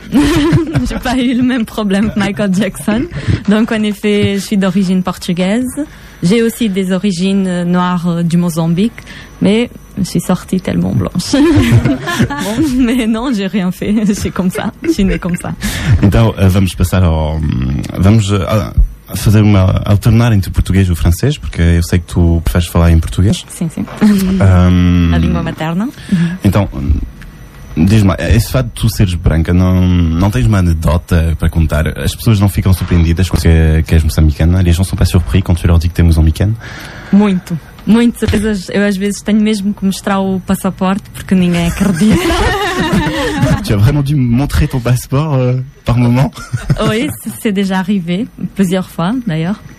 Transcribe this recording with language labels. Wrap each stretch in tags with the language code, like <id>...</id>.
<fr>Je n'ai pas eu le même problème que Michael Jackson. Donc en effet, je suis d'origine portugaise. J'ai aussi des origines noires du Mozambique, mais je suis sortie tellement blanche. Bon, mais non, j'ai rien fait. C'est comme ça. Je suis née comme ça.</fr> <pt>Então, vamos passar ao... Vamos fazer uma alternar entre português e francês, porque eu sei que tu preferes falar em português. Sim, sim. A língua materna. Então, diz-me, esse fato de tu seres branca, não tens uma anedota para contar? As pessoas não ficam surpreendidas com que és moçambicana?</pt> <fr>Les gens sont pas surpris quando tu leur dis que t'es moçambicana?</fr> <pt>Muito. Muito, certezas. Eu às vezes tenho mesmo que mostrar o passaporte porque ninguém acredita.</pt> <fr>Tu as vraiment dû montrer ton passeport par moment? Oui, c'est déjà arrivé plusieurs fois d'ailleurs.</fr>